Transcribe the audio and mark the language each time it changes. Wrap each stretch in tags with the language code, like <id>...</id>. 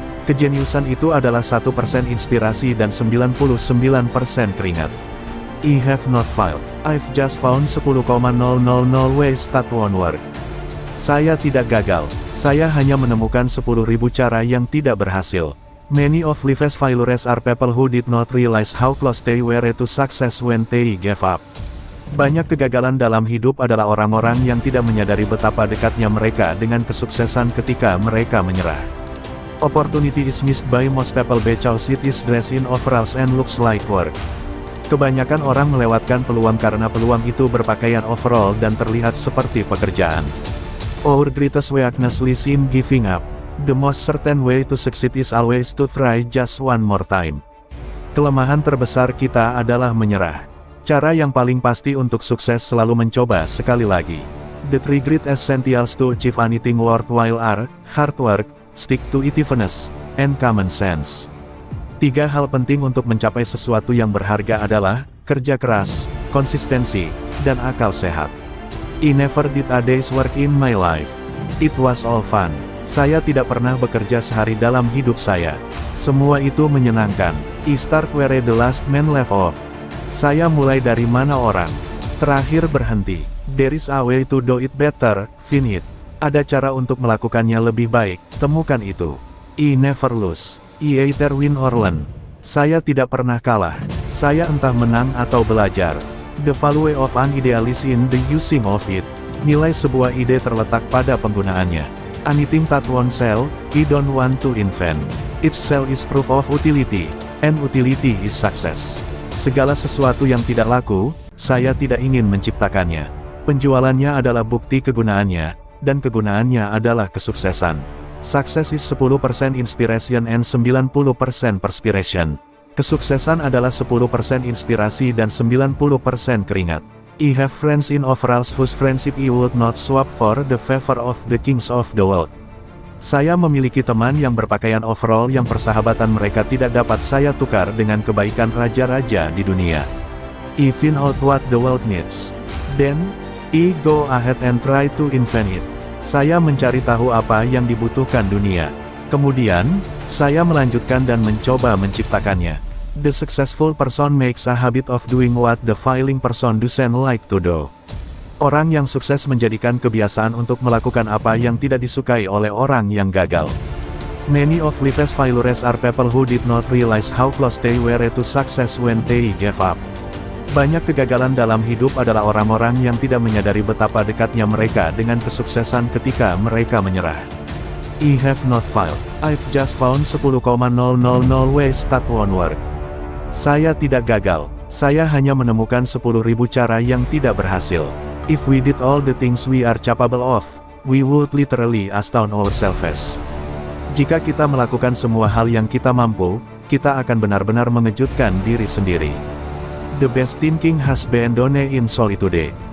<id>Kejeniusan itu adalah 1% inspirasi dan 99% keringat.</id> <en>I have not failed. I've just found 10,000 ways that won't work.</en> <id>Saya tidak gagal. Saya hanya menemukan 10.000 cara yang tidak berhasil.</id> <en>Many of life's failures are people who did not realize how close they were to success when they gave up.</en> <id>Banyak kegagalan dalam hidup adalah orang-orang yang tidak menyadari betapa dekatnya mereka dengan kesuksesan ketika mereka menyerah.</id> <en>Opportunity is missed by most people because it is dressed in overalls and looks like work.</en> <id>Kebanyakan orang melewatkan peluang karena peluang itu berpakaian overall dan terlihat seperti pekerjaan.</id> <en>Our greatest weakness lies in giving up. The most certain way to succeed is always to try just one more time.</en> <id>Kelemahan terbesar kita adalah menyerah. Cara yang paling pasti untuk sukses selalu mencoba sekali lagi.</id> <en>The three great essentials to achieve anything worthwhile are hard work, stick to itiveness, and common sense.</en> <id>Tiga hal penting untuk mencapai sesuatu yang berharga adalah kerja keras, konsistensi, dan akal sehat.</id> <en>I never did a day's work in my life. It was all fun.</en> <id>Saya tidak pernah bekerja sehari dalam hidup saya. Semua itu menyenangkan.</id> <en>I start where the last man left off.</en> <id>Saya mulai dari mana orang terakhir berhenti.</id> <en>There is a way to do it better, finish it.</en> <id>Ada cara untuk melakukannya lebih baik, temukan itu.</id> <en>I never lose. I either win or learn.</en> <id>Saya tidak pernah kalah. Saya entah menang atau belajar.</id> <en>The value of an idea is in the using of it.</en> <id>Nilai sebuah ide terletak pada penggunaannya.</id> <en>Anything that won't sell, I don't want to invent. Its sell is proof of utility, and utility is success.</en> <id>Segala sesuatu yang tidak laku, saya tidak ingin menciptakannya. Penjualannya adalah bukti kegunaannya, dan kegunaannya adalah kesuksesan.</id> <en>Success is 10% inspiration and 90% perspiration.</en> <id>Kesuksesan adalah 10% inspirasi dan 90% keringat.</id> <en>I have friends in overalls whose friendship I would not swap for the favor of the kings of the world.</en> <id>Saya memiliki teman yang berpakaian overall yang persahabatan mereka tidak dapat saya tukar dengan kebaikan raja-raja di dunia.</id> <en>I find out what the world needs. Then, I go ahead and try to invent it.</en> <id>Saya mencari tahu apa yang dibutuhkan dunia. Kemudian, saya melanjutkan dan mencoba menciptakannya.</id> <en>The successful person makes a habit of doing what the failing person doesn't like to do.</en> <id>Orang yang sukses menjadikan kebiasaan untuk melakukan apa yang tidak disukai oleh orang yang gagal.</id> <en>Many of life's failures are people who did not realize how close they were to success when they gave up.</en> <id>Banyak kegagalan dalam hidup adalah orang-orang yang tidak menyadari betapa dekatnya mereka dengan kesuksesan ketika mereka menyerah.</id> <en>I have not failed. I've just found 10,000 ways that won't work.</en> <id>Saya tidak gagal. Saya hanya menemukan 10.000 cara yang tidak berhasil.</id> <en>If we did all the things we are capable of, we would literally astound ourselves.</en> <id>Jika kita melakukan semua hal yang kita mampu, kita akan benar-benar mengejutkan diri sendiri.</id> <en>The best thinking has been done in solitude.</en>